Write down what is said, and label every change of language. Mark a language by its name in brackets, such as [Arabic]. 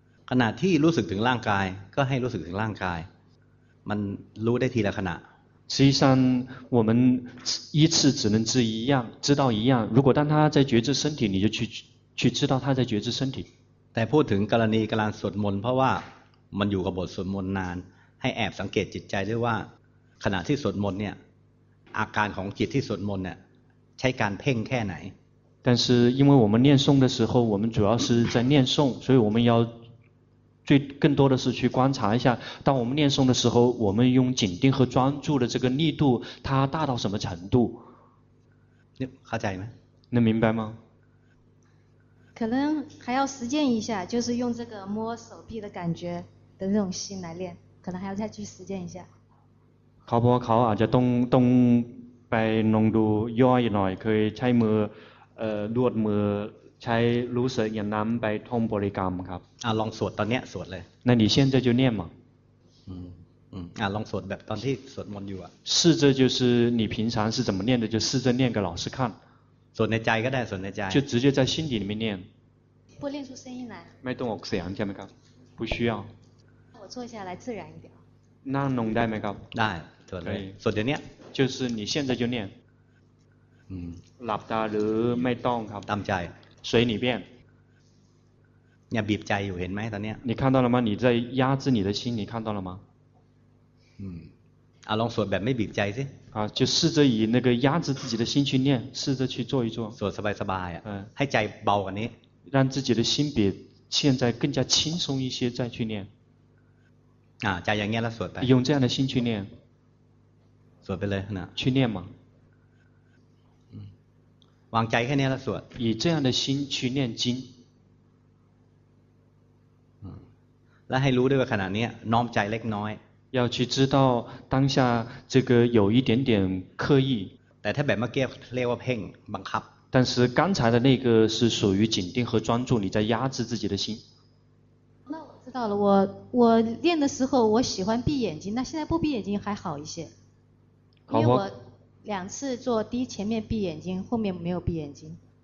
[Thai] ขณะที่รู้สึกถึงร่างกายก็ให้รู้สึกถึงร่างกายมันรู้ได้ทีละขณะ [Chinese] 实际上我们一次只能知一样知道一样如果当他在觉知身体你就去知道他在觉知身体 [Thai] แต่พูดถึงกรณีกำลังสวดมนต์เพราะว่ามันอยู่กับบทสวดมนต์นานให้แอบสังเกตจิตใจด้วยว่าขณะที่สวดมนต์เนี่ยอาการของจิตที่สวดมนต์เนี่ยใช้การเพ่งแค่ไหน [Chinese] 但是因为我们念诵的时候我们主要是在念诵所以我们要最更多的是去观察一下当我们念诵的时候我们用紧盯和专注的这个力度它大到什么程度那明白吗可能还要实践一下就是用这个摸手臂的感觉的那种心来练可能还要再去实践一下 [Thai] เขาบอกว่าเขาอาจจะต้องไปลองดูย่อยหน่อยเคยใช้มือดวดมือใช้รู้สึกอย่างนั้นไปท่องบริกรรมครับ ลองสวดตอนนี้สวดเลย [Chinese] 那你现在就念嘛 [Thai] ลองสวดแบบตอนที่สวดมนต์อยู่อ่ะ [Chinese] 试着就是你平常是怎么念的就试着念给老师看 [Thai] สวดในใจก็ได้สวดในใจ [Chinese] 就直接在心底里面念不练出声音来 [Thai] ไม่ต้องออกเสียงใช่ไหมครับ [Chinese] 不需要我坐下来自然一点 [Thai] นั่งลงได้ไหมครับ ได้ [Chinese] 可以，所以念，就是你现在就念， [Thai] หลับตาหรือไม่ต้องครับ ตามใจ [Chinese] 随你便 [Thai] เนี่ยบีบใจอยู่เห็นไหมตอนเนี้ย [Chinese] 你看到了吗你在压制你的心你看到了吗 [Thai] ลองสวดแบบไม่บีบใจสิ [Chinese] 就试着以那个压制自己的心去念试着去做一做 [Thai] สวดสบายสบายให้ใจเบากว่านี้ [Chinese] 让自己的心比现在更加轻松一些再去念 [Thai] ใจอย่างเงี้ยแล้วสวดไป [Chinese] 用这样的心去念 [Thai] สวดไปเลยนะ [Chinese] 去念嘛 [Thai] วางใจแค่นี้แล้วสวด [Chinese] 以这样的心去念经 [Thai] และให้รู้ด้วยว่าขณะนี้น้อมใจเล็กน้อย [Chinese] 要去知道当下这个有一点点刻意 [Thai] แต่ถ้าแบบเมื่อกี้เรียกว่าเพ่งบังคับ [Chinese] 但是刚才的那个是属于紧盯和专注你在压制自己的心那我知道了 我练的时候我喜欢闭眼睛那现在不闭眼睛还好一些因为我两次做第一前面闭眼睛后面没有闭眼睛